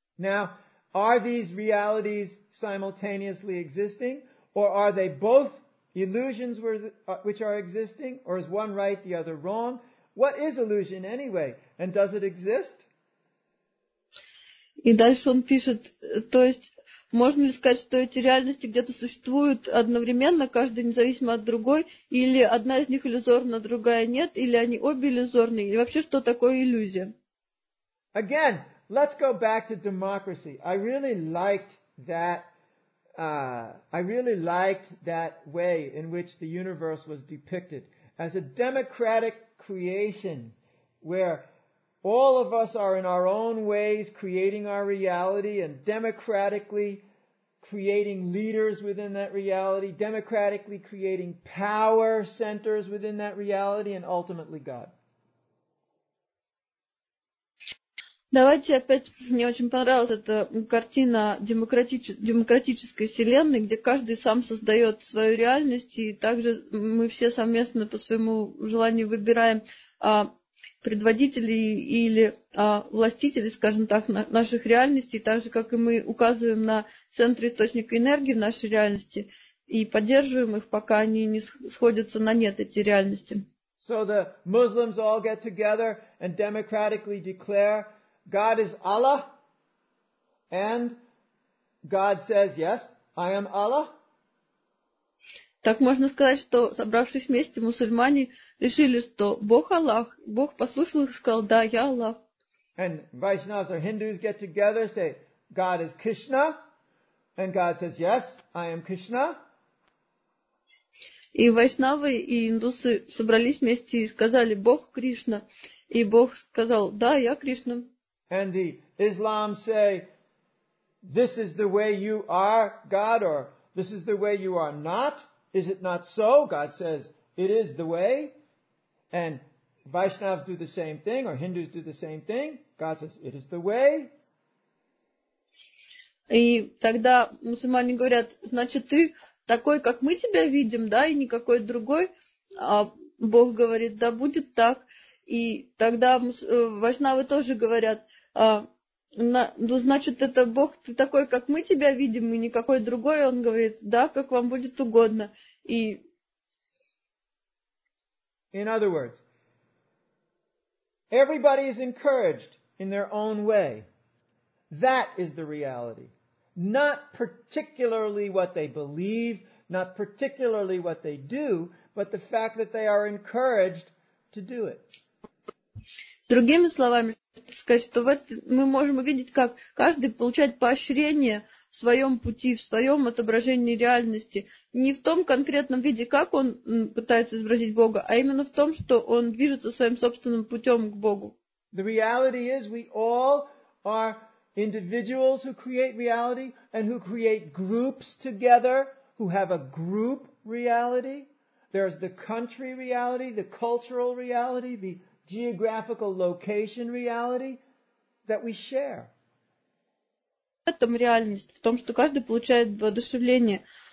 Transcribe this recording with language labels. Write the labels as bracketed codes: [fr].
[en] Now, are these realities simultaneously existing, or are they both illusions which are existing, or is one right, the other wrong? What is illusion anyway, and does it exist? [ru] И дальше он пишет, то есть, можно ли сказать, что эти реальности где-то существуют одновременно, каждая независимо от другой, или одна из них иллюзорна, другая нет, или они обе иллюзорны, и вообще, что такое иллюзия? [en] Again, let's go back to democracy. I really liked that. I really liked that way in which the universe was depicted as a democratic creation where all of us are in our own ways creating our reality and democratically creating leaders within that reality, democratically creating power centers within that reality, and ultimately God. [ru] Давайте опять, мне очень понравилась эта картина демократической вселенной, где каждый сам создает свою реальность, и также мы все совместно по своему желанию выбираем предводителей или властителей, скажем так, наших реальностей, так же, как и мы указываем на центр источника энергии в нашей реальности и поддерживаем их, пока они не сходятся на нет, эти реальности. [en] So the Muslims all get together and democratically declare God is Allah, and God says, yes, I am Allah. [ru] Так можно сказать, что собравшись вместе, мусульмане решили, что Бог Аллах. Бог послушал их и сказал, да, я Аллах. [en] And Vaishnavas or Hindus get together, say, God is Krishna, and God says, yes, I am Krishna. [ru] И вайшнавы и индусы собрались вместе и сказали, Бог Кришна. И Бог сказал, да, я Кришна. [en] And the Islam say, this is the way you are, God, or this is the way you are not. Is it not so? God says, it is the way. And Vaishnavas do the same thing, or Hindus do the same thing. God says, it is the way. [ru] И тогда мусульмане говорят, значит, ты такой, как мы тебя видим, да, и никакой другой. А Бог говорит, да, будет так. И тогда вайшнавы тоже говорят, Ну, значит, это Бог, ты такой, как мы тебя видим, и никакой другой, он говорит, да, как вам будет угодно. И... [en] In other words, everybody is encouraged in their own way. That is the reality. Not particularly what they believe, not particularly what they do, but the fact that they are encouraged to do it. [ru] Другими словами, сказать, что мы можем увидеть, как каждый получает поощрение в своем пути, в своем отображении реальности. Не в том конкретном виде, как он пытается изобразить Бога, а именно в том, что он движется своим собственным путем к Богу. [en] The reality is we all are individuals who create reality and who create groups together, who have a group reality. There's the country reality, the cultural reality, the geographical location reality that we share. [ru] В этом реальность, в том, что каждый получает воодушевление.